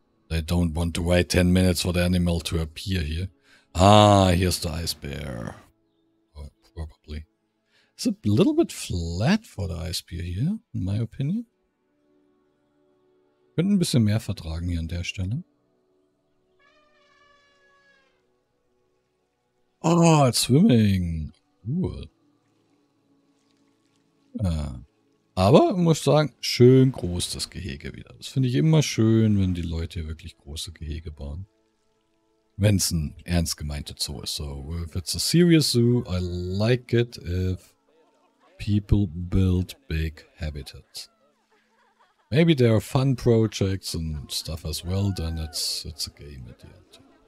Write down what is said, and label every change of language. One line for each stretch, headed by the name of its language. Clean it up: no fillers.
English: I don't want to wait 10 minutes for the animal to appear here. Ah, here's the ice bear. Oh, probably. It's a little bit flat for the ice bear here, in my opinion.
German: Könnte ein bisschen mehr vertragen hier an der Stelle.
English: Oh, it's swimming. Cool.
German: Ah. Aber ich muss sagen, schön groß das Gehege wieder. Das finde ich immer schön, wenn die Leute hier wirklich große Gehege bauen. Wenn es ein ernst gemeinter Zoo ist.
English: So, if it's a serious zoo, I like it if people build big habitats. Maybe there are fun projects and stuff as well, then it's a game at the end.